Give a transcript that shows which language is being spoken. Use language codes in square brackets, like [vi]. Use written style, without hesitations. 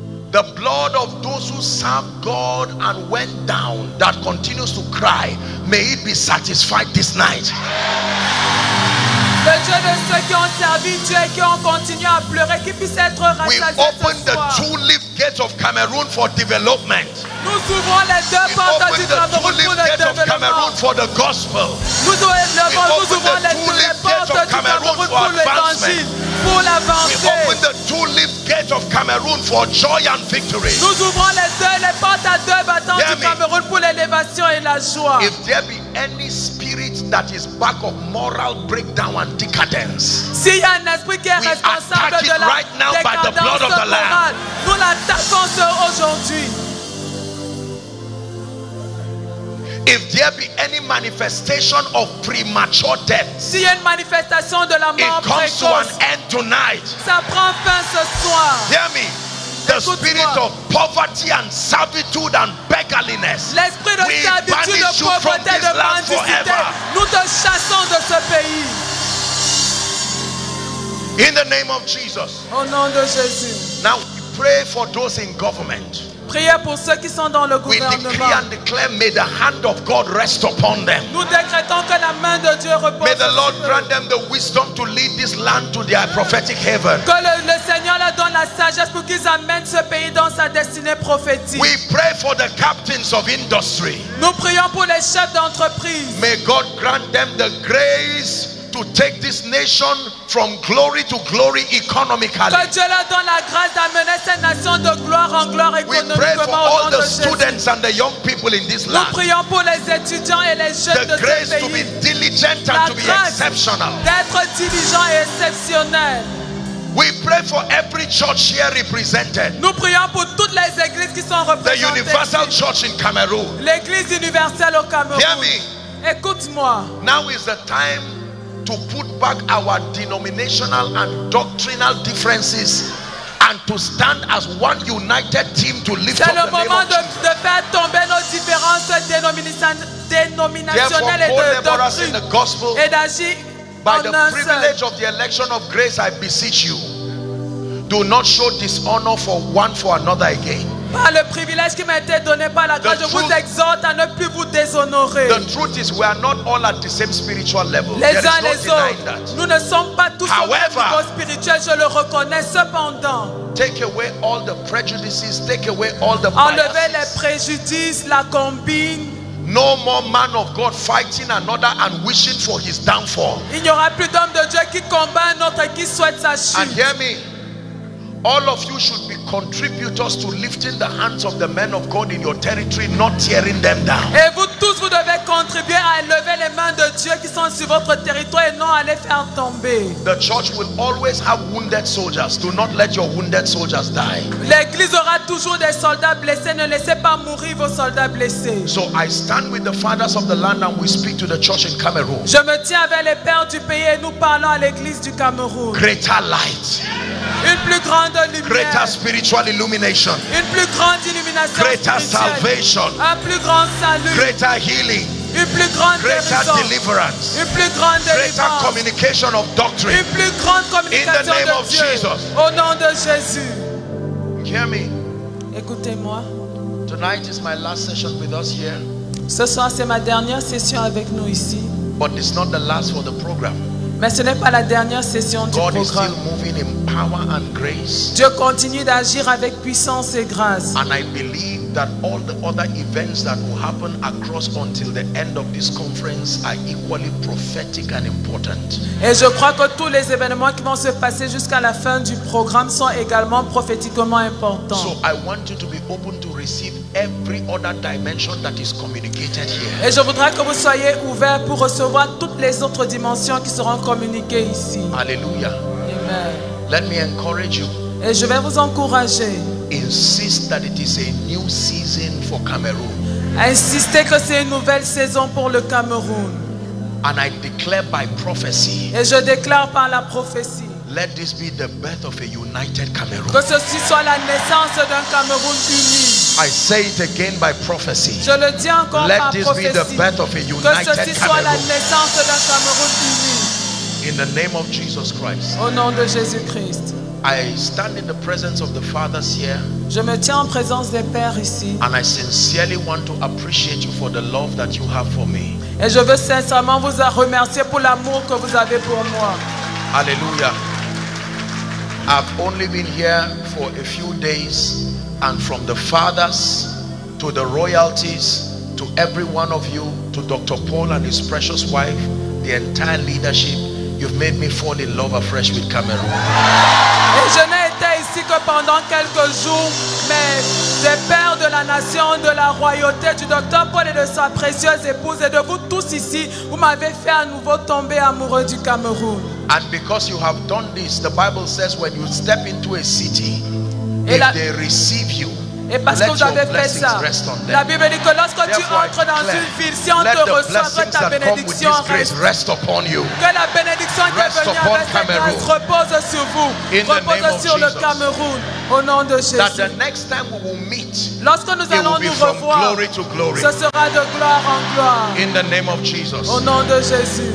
[en] The blood of those who served God and went down that continues to cry, may it be satisfied this night. [fr] Le Dieu de ceux qui ont servi Dieu et qui ont continué à pleurer, qui puisse être rassasié ce soir. [en] We open the two leaf gates of Cameroon for development. [fr] Nous ouvrons les deux portes du Cameroun pour le développement. [en] We open the two leaf gates of Cameroon for the gospel. [fr] Nous ouvrons les deux portes du Cameroun pour l'évangile. Pour l'avancer. [en] We open the two leaf gates of Cameroon for joy and victory. [fr] Nous ouvrons les portes à deux battants du Cameroun pour l'élévation et la joie. [en] If there be any spirit that is back of moral breakdown and decadence, [fr] si y a un esprit qui est responsable de la décadence morale, nous l'attaquons aujourd'hui. [en] If there be any manifestation of premature death, [fr] si une manifestation de la mort [en] it comes [fr] précoce, [en] to an end tonight. [fr] Ça prend fin ce soir. [en] Hear me. The spirit of poverty and servitude and beggarliness. [fr] L'esprit de servitude, de pauvreté, de mendicité. Nous te chassons de ce pays. [en] In the name of Jesus. [fr] Au nom de Jésus. [en] Now we pray for those in government. [fr] Priez pour ceux qui sont dans le gouvernement. [en] We decree and declare, may the hand of God rest upon them. [fr] Nous décrétons que la main de Dieu repose. [en] May the Lord grant them the wisdom to lead this land to their prophetic heaven. [fr] Que le Seigneur leur donne la sagesse pour qu'ils amènent ce pays dans sa destinée prophétique. [en] We pray for the captains of industry. [fr] Nous prions pour les chefs d'entreprise. [en] May God grant them the grace to take this nation from glory to glory economically. [fr] Que Dieu leur donne la grâce d'amener cette nation de gloire en gloire économiquement. [en] We pray for all the students and the young people in this land. [fr] Nous prions pour les étudiants et les jeunes de ce pays. [en] The grace to be diligent and to be exceptional. [fr] D'être diligent et exceptionnel. [en] We pray for every church here represented. [fr] Nous prions pour toutes les églises qui sont représentées. [en] The Universal Church in Cameroon. [fr] L'église universelle au Cameroun. [en] Hear me. [fr] Écoute-moi. [en] Now is the time to put back our denominational and doctrinal differences and to stand as one united team to lift [fr] c'est [en] up the name of Jesus. [fr] C'est le moment de faire tomber nos différences dénominationnelles et de doctrine et d'agir [en] by the privilege of the election of grace, I beseech you, do not show dishonor for one for another again. [fr] Par le privilège qui m'a été donné par la grâce, je vous exhorte à ne plus vous déshonorer. [en] The truth is, we are not all at the same spiritual level. [fr] Les uns les autres, nous ne sommes pas tous au même niveau spirituel, je le reconnais. Cependant, [en] take away all the prejudices, take away all the biases. [fr] Enlevez les préjudices, la combine. [en] No more man of God fighting another and wishing for his downfall. [fr] Il n'y aura plus d'homme de Dieu qui combat un autre et qui souhaite sa chute. [en] And hear me. All of you should be contributors to lifting the hands of the men of God in your territory, not tearing them down. [fr] Et vous tous, vous devez contribuer à élever les mains de Dieu qui sont sur votre territoire et non à les faire tomber. [en] The church will always have wounded soldiers. Do not let your wounded soldiers die. [fr] L'église aura toujours des soldats blessés. Ne laissez pas mourir vos soldats blessés. [en] So I stand with the fathers of the land and we speak to the church in Cameroon. [fr] Je me tiens avec les pères du pays et nous parlons à l'église du Cameroun. [en] Greater light. [fr] Une plus grande lumière. [en] Greater spiritual illumination. [fr] Une plus grande illumination. [en] Greater salvation. [fr] Un plus grand salut. [en] Greater healing. [fr] Une plus grande [en] greater [fr] guérison. [en] Deliverance. [fr] Une plus grande deliverance. [en] Greater communication of doctrine. [fr] Une plus grande communication [en] in the name [fr] de [en] of [fr] Dieu. [en] Jesus. [fr] Au nom de Jésus. [en] Hear me. [fr] Écoutez-moi. [en] Tonight is my last session with us here. [fr] Ce soir c'est ma dernière session avec nous ici. [en] But it's not the last for the program. [fr] Mais ce n'est pas la dernière session du [en] God [fr] programme. [en] Is still moving in power and grace. [fr] Dieu continue d'agir avec puissance et grâce. [en] And I believe that all the other events that will happen across until the end of this conference are equally prophetic and important. [fr] Et je crois que tous les événements qui vont se passer jusqu'à la fin du programme sont également prophétiquement importants. [en] So I want you to be open to receive every other dimension that is communicated here. [fr] Et je voudrais que vous soyez ouverts pour recevoir toutes les autres dimensions qui seront communiquées ici. Alléluia. Amen. [en] Let me encourage you. [fr] Et je vais vous encourager. [en] Insist that it is a new season for Cameroon. [fr] Insistez que c'est une nouvelle saison pour le Cameroun. [en] And I declare by prophecy. [fr] Et je déclare par la prophétie. [en] Let this be the birth of a united Cameroon. [fr] Que ceci soit la naissance d'un Cameroun uni. [en] I say it again by prophecy. [fr] Je le dis encore [en] let [fr] par prophétie. [en] Let this be the birth of a united Cameroon. [fr] Que ceci soit la naissance d'un Cameroun uni. [en] In the name of Jesus Christ. [fr] Au nom de Jésus-Christ. [en] I stand in the presence of the fathers here. [fr] Je me tiens en présence des pères ici. [en] And I sincerely want to appreciate you for the love that you have for me. [fr] Et je veux sincèrement vous remercier pour l'amour que vous avez pour moi. [en] Hallelujah. I've only been here for a few days, and from the fathers to the royalties to every one of you, to Dr. Paul and his precious wife, the entire leadership, you've made me fall in love afresh with Cameroon. [fr] Et je n'ai été ici que pendant quelques jours, mais des pères de la nation, de la royauté, du Dr. Paul et de sa précieuse épouse et de vous tous ici, vous m'avez fait à nouveau tomber amoureux du Cameroun. And because you have done this, the Bible says when you step into a city, if they receive you, et parce que vous avez fait ça, la Bible dit que lorsque tu entres dans une ville, si on te reçoit, ta bénédiction reste. Que la bénédiction qui est venue avec cette grâce repose sur vous, repose sur le Cameroun, au nom de Jésus. Lorsque nous allons nous revoir, ce sera de gloire en gloire, au nom de Jésus.